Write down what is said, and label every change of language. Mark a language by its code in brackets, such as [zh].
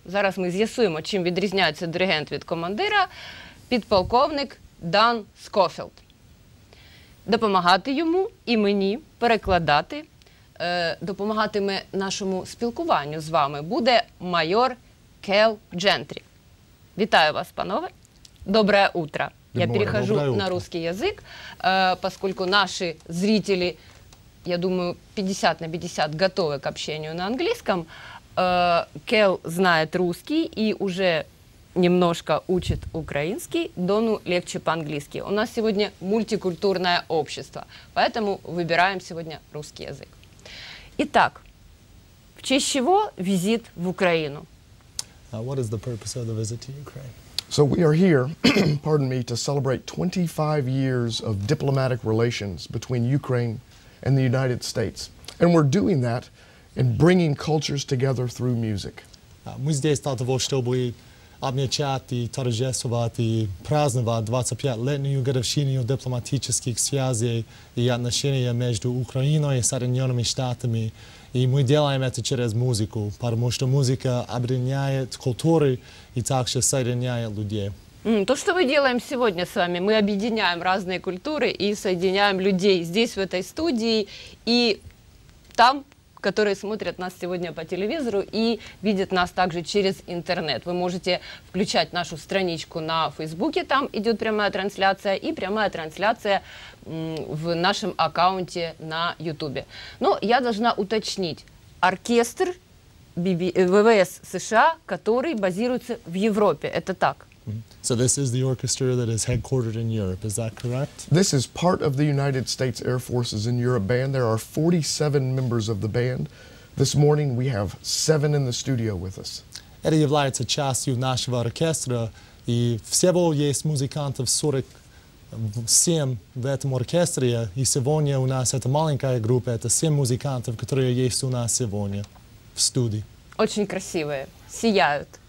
[uk] Зараз ми з'ясуємо, чим відрізняється диригент від командира. Підполковник Дан Скофілд. Допомагати йому і мені перекладати, допомагатиме нашому спілкуванню з вами буде майор Кел Джентрі. Вітаю вас, панове. [ru] Доброе утро. Я перехожу на русский язык, поскольку наши зрители, я думаю, 50 на 50 готовы к общению на английском. Кел знает русский и уже немножко учит украинский. Дону легче по-английски. У нас сегодня мультикультурное общество, поэтому выбираем сегодня русский язык. Итак, в честь чего визит в Украину? [en] What is the purpose of the visit to Ukraine? So we are here, pardon me, to celebrate 25 years of diplomatic relations between Ukraine and the United States. And we're doing that in bringing cultures together through music. [uk] Ми здесь для того, щоб відмічати, торжествувати, празднувати 25-летню годовщину дипломатичних зв'язків і відносин між Україною і Сполученими Штатами. І ми робимо це через музику, тому що музика об'єднує культури і також об'єднує людей. То, що ми робимо сьогодні з вами, ми об'єднуємо різні культури і об'єднуємо людей тут, в цій студії, і там, які дивляться нас сьогодні по телевізору і бачать нас також через інтернет. Ви можете включати нашу страничку на Фейсбуці, там йде пряма трансляція, і пряма трансляція в нашому аккаунті на Ютубі. Ну, я повинна уточнити, оркестр ВВС США, який базується в Європі, це так? [en] So this is the orchestra that is headquartered in Europe, is that correct? This is part of the United States Air Forces in Europe band. There are 47 members of the band. This morning we have 7 in the studio with us. [ru] Это является частью нашего оркестра, и всего есть музыкантов 47 в этом оркестре, и сегодня у нас эта маленькая группа, это 7 музыкантов, которые есть у нас сегодня в студии. Очень красивые, сияют.